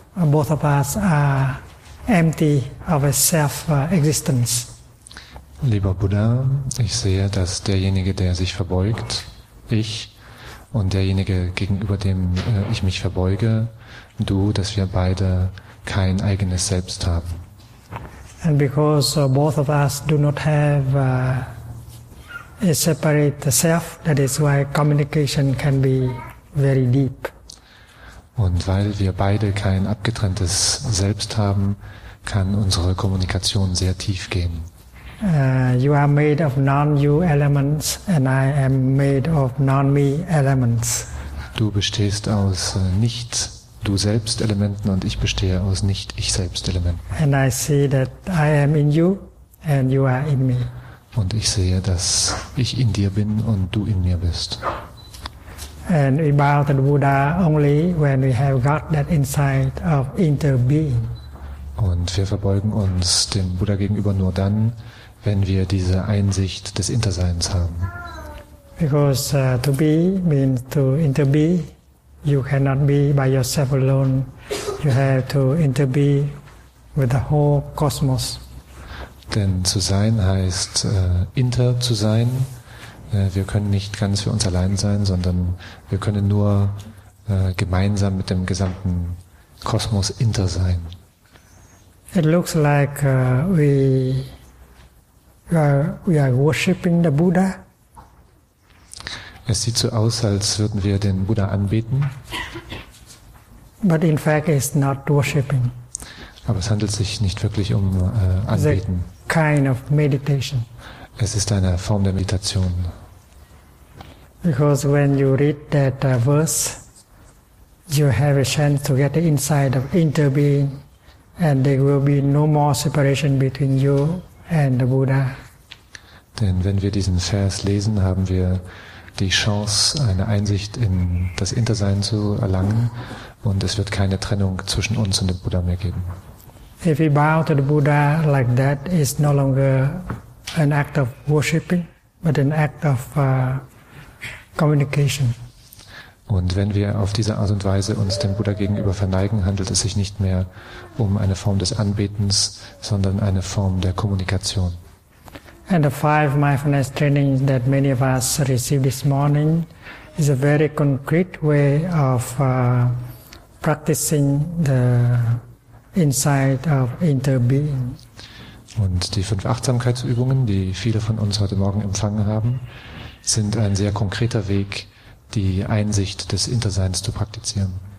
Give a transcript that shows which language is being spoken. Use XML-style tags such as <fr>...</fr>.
<en>Both of us are empty of a self-existence.</en> <de>Lieber Buddha, ich sehe, dass derjenige, der sich verbeugt, ich, und derjenige, gegenüber dem ich mich verbeuge, du, dass wir beide kein eigenes Selbst haben.</de> <en>And because both of us do not have a separate self, that is why communication can be very deep.</en> <de>Und weil wir beide kein abgetrenntes Selbst haben, kann unsere Kommunikation sehr tief gehen.</de> <en>You are made of non-you elements and I am made of non-me elements.</en> <de>Du bestehst aus Nicht-Du-Selbst-Elementen und ich bestehe aus Nicht-Ich-Selbst-Elementen.</de> <en>And I see that I am in you and you are in me.</en> <de>Und ich sehe, dass ich in dir bin und du in mir bist.</de> <en>And we bow to the Buddha only when we have got that insight of inter-being.</en> <de>Und wir verbeugen uns dem Buddha gegenüber nur dann, wenn wir diese Einsicht des Interseins haben.</de> <en>Because to be means to interbe. You cannot be by yourself alone. You have to interbe with the whole cosmos.</en> <de>Denn zu sein heißt inter zu sein. Wir können nicht ganz für uns allein sein, sondern wir können nur gemeinsam mit dem gesamten Kosmos inter sein.</de> <en>It looks like we are worshipping the Buddha.</en> <de>Es sieht so aus, als würden wir den Buddha anbeten.</de> <en>But in fact, it's not worshipping.</en> <de>Aber es handelt sich nicht wirklich um Anbeten.</de> <en>It's a kind of meditation.</en> <de>Es ist eine Form der Meditation.</de> <en>Because when you read that verse, you have a chance to get the insight of interbeing, and there will be no more separation between you and the Buddha.</en> <de>Denn wenn wir diesen Vers lesen, haben wir die Chance, eine Einsicht in das Intersein zu erlangen und es wird keine Trennung zwischen uns und dem Buddha mehr geben.</de> <en>If we bow to the Buddha like that, it's no longer an act of worshipping, but an act of communication.</en> <de>Und wenn wir auf diese Art und Weise uns dem Buddha gegenüber verneigen, handelt es sich nicht mehr um eine Form des Anbetens, sondern eine Form der Kommunikation.</de> <en>And the five mindfulness trainings that many of us received this morning is a very concrete way of practicing the insight of interbeing.</en> <de>Und die fünf Achtsamkeitsübungen, die viele von uns heute Morgen empfangen haben, sind ein sehr konkreter Weg, die Einsicht des Interseins zu praktizieren.</de>